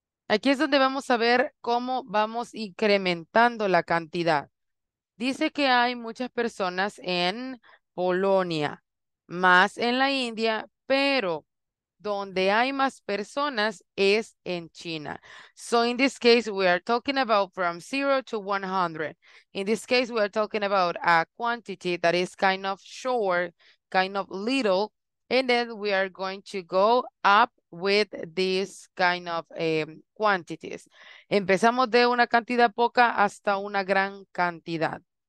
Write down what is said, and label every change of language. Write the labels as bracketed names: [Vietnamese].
[Spanish] Aquí es donde vamos a ver cómo vamos incrementando la cantidad. Dice que hay muchas personas en Polonia, más en la India, pero donde hay más personas es en China. [English] So in this case, we are talking about from 0 to 100. In this case, we are talking about a quantity that is kind of short, kind of little, and then we are going to go up with this kind of quantities. [Spanish] Empezamos de una cantidad poca hasta una gran cantidad.